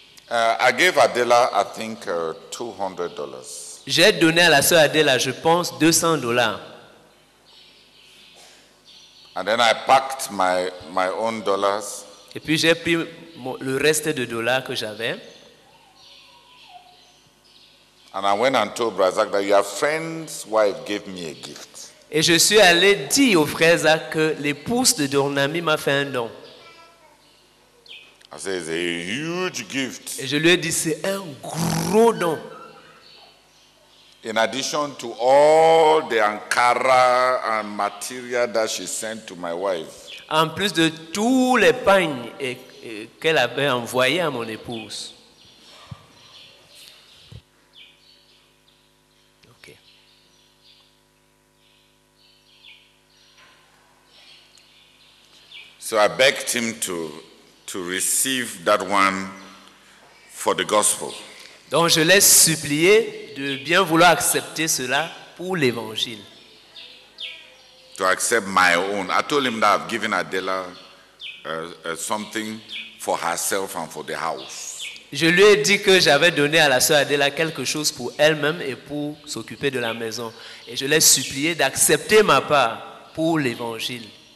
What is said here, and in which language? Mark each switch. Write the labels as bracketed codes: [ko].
[en] I gave Adela, I think, $200. [fr] J'ai donné à la sœur Adela, je pense, $200. [en] And then I packed my own dollars. [fr] Et puis j'ai pris le reste de dollars que j'avais. [en] And I went and told Brazak that your friend's wife gave me a gift. [fr] Et je suis allé dire au frère Zak que l'épouse de ton ami m'a fait un don. [en] I said, it's a huge gift. [fr] Et je lui ai dit, c'est un gros don. [en] In addition to all the Ankara and material that she sent to my wife. [fr] En plus de tous les pains qu'elle avait envoyé à mon épouse. [en] Okay. So I begged him to receive that one for the gospel. [fr] Donc je l'ai supplié de bien vouloir accepter cela pour l'évangile. [en] To accept my own. I told him that I've given Adela something for herself and for the house. [fr] Je lui ai dit que j'avais donné à la sœur Adela quelque chose pour elle-même et pour s'occuper de la maison. Et je l'ai supplié d'accepter ma part pour l'évangile.